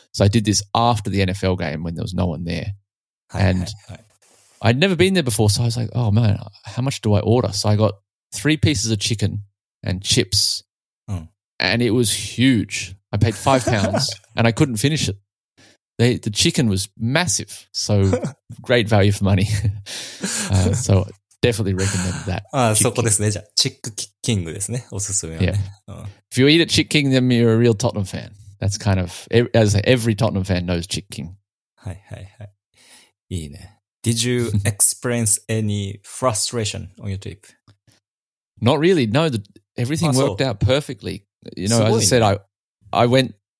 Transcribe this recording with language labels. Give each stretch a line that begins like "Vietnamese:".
English: So I did this after the NFL game when there was no one there. And I'd never been there before, so I was like, oh man, how much do I order? So I got 3 pieces of chicken and chips. And it was huge. I paid £5 and I couldn't finish it. The chicken was massive, so great value for money. So definitely recommend that.
Japanese: そこですね。じゃあ、チックキングですね。おすすめはね。
English: If you eat at Chick King, then you're a real Tottenham fan. That's kind of, as every Tottenham fan knows Chick King.
Japanese: はいはいはい。いいね。
English: Did you experience any frustration on your trip? Not really. No, everything worked out perfectly. You know, as I said, I went...